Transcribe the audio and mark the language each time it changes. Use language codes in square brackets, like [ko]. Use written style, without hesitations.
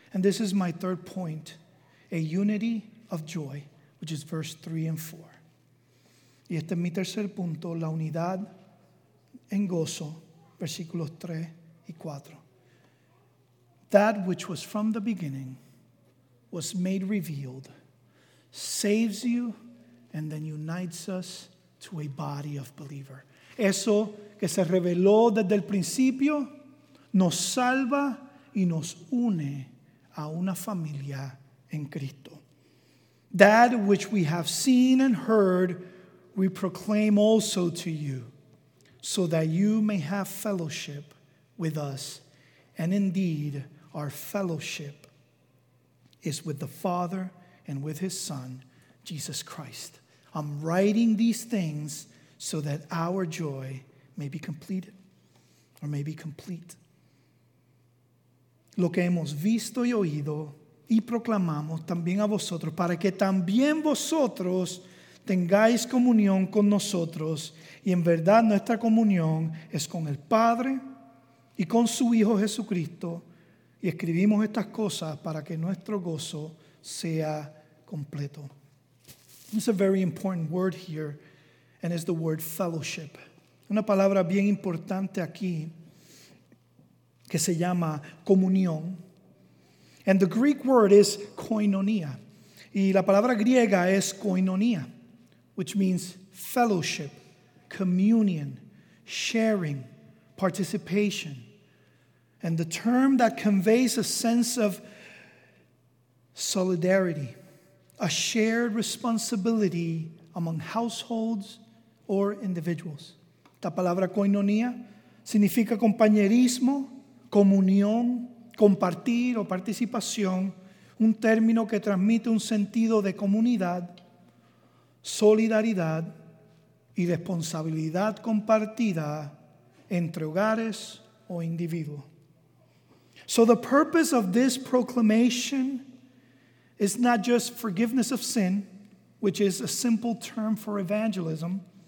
[en] And this is my third point, a unity of joy, which is verse 3 and 4. [es] Y este es mi tercer punto, la unidad en gozo, versículos 3 y 4. [en] That which was from the beginning was made revealed, saves you, and then unites us to a body of believer. [es] Eso que se reveló desde el principio nos salva y nos une a una familia en Cristo. [en] That which we have seen and heard, we proclaim also to you, so that you may have fellowship with us. And indeed, our fellowship is with the Father and with His Son, Jesus Christ. I'm writing these things so that our joy may be completed, or may be complete. [es] Lo que hemos visto y oído y proclamamos también a vosotros, para que también vosotros tengáis comunión con nosotros, y en verdad nuestra comunión es con el Padre y con su Hijo Jesucristo, y escribimos estas cosas para que nuestro gozo sea completo. [en] It's a very important word here, and it's the word fellowship. [es] Una palabra bien importante aquí, que se llama comunión. [en] And the Greek word is koinonia. [es] Y la palabra griega es koinonia, [en] which means fellowship, communion, sharing, participation. And the term that conveys a sense of solidarity, a shared responsibility among households or individuals. [es] La palabra koinonia significa compañerismo, comunión, compartir o participación, un término que transmite un sentido de comunidad, solidaridad y responsabilidad compartida entre hogares o individuos. [en] So the purpose of this proclamation is not just forgiveness of sin, which is a simple term for evangelism.